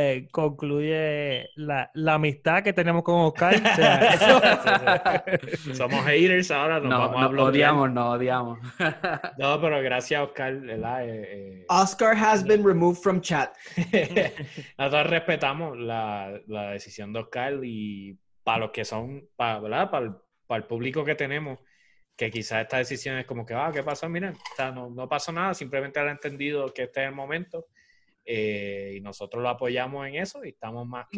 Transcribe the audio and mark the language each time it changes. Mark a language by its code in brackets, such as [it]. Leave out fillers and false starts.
[es] Concluye la amistad que tenemos con Oscar. O sea, somos haters ahora, nos vamos a bloquear. Nos odiamos. No, pero gracias, Oscar, ¿verdad? [en] Oscar has been removed from chat. [es] Nosotros respetamos la decisión de Oscar y para los que son, ¿verdad? Para el público que tenemos, que quizás esta decisión es como que, ¿qué pasó? Mira, o sea, no pasó nada, simplemente han entendido que este es el momento y nosotros lo apoyamos en eso y estamos más que...